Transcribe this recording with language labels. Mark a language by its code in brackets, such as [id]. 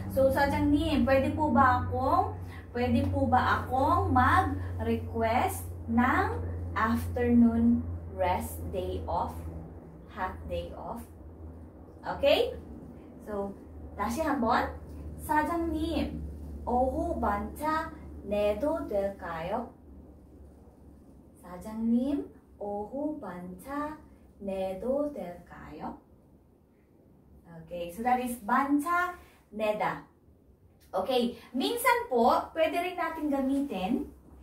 [tl] So, Sajanim, pwede po ba akong mag-request ng [en] afternoon rest day off, [tl] half day off? Okay? [ko] So, 다시 한번 사장님, 오후 반차 내도 될까요? 사장님, 오후 반차 내도 될까요? [en] Okay, so that is 반차 내다. Okay, 민산 po, 봬드 링 나틴 가미텐.